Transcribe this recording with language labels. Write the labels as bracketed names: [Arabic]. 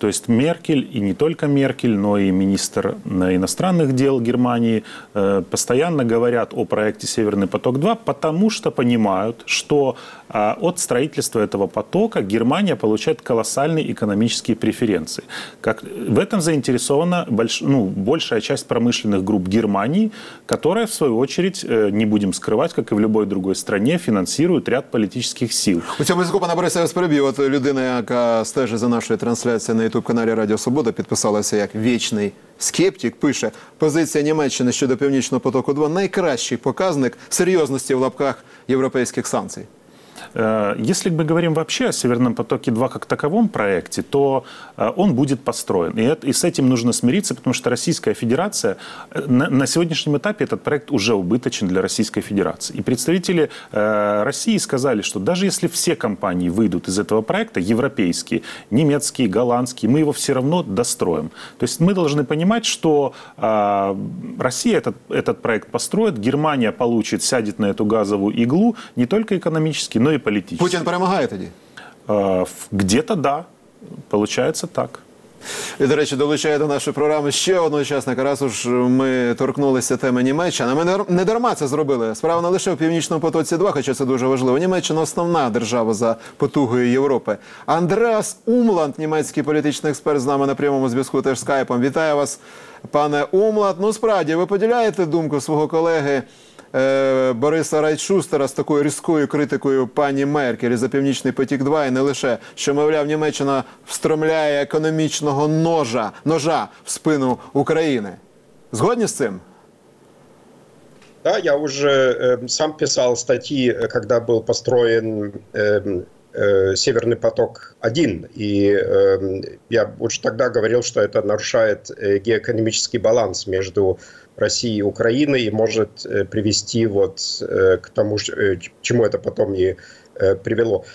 [Russian] То есть Меркель, и не только Меркель, но и министр иностранных дел Германии постоянно говорят о проекте «Северный поток-2», потому что понимают, что от строительства этого потока Германия получает колоссальные экономические преференции. Как, в этом заинтересована большая часть промышленных групп Германии, которая, в свою очередь, не будем скрывать, как и в любой другой стране, финансирует ряд политических сил. [Ukrainian] У цьому зв'язку, пане Борисе, я вас переб'ю. От людина, яка стежить за нашою трансляцією на YouTube-каналі «Радіо Свобода», підписалася як «Вічний скептик», пише: «Позиція Німеччини щодо Північного потоку-2 – найкращий показник серйозності в лапках європейських санкцій». [Russian] Если мы говорим вообще о «Северном потоке-2» как таковом проекте, то он будет построен. И с этим нужно смириться, потому что Российская Федерация, на сегодняшнем этапе этот проект уже убыточен для Российской Федерации. И представители России сказали, что даже если все компании выйдут из этого проекта, европейские, немецкие, голландские, мы его все равно достроим. То есть мы должны понимать, что Россия этот проект построит, Германия получит, сядет на эту газовую иглу не только экономически, но и политически. [Ukrainian] Путин перемагає тоді? [Russian] Где-то да. Получается так. [Ukrainian] І, до речі, долучає до нашої програми ще одного учасника. Раз уж ми торкнулися теми Німеччини, ми не дарма це зробили. Справа не лише у Північному потоці-2, хоча це дуже важливо. Німеччина – основна держава за потугою Європи. Андреас Умланд, німецький політичний експерт, з нами на прямому зв'язку теж скайпом. Вітаю вас, пане Умланд. Ну, справді, ви поділяєте думку свого колеги Бориса Райтшустера з такою різкою критикою пані Меркель за Північний потік-2, і не лише, що, мовляв, Німеччина встромляє економічного ножа в спину України. Згодні з цим? [Russian] Да, [Ukrainian] я вже сам писав статті, коли був построєн [Russian] Северный поток один, и я уже тогда говорил, что это нарушает геоэкономический баланс между Россией и Украиной и может привести вот к тому, чему это потом и привело.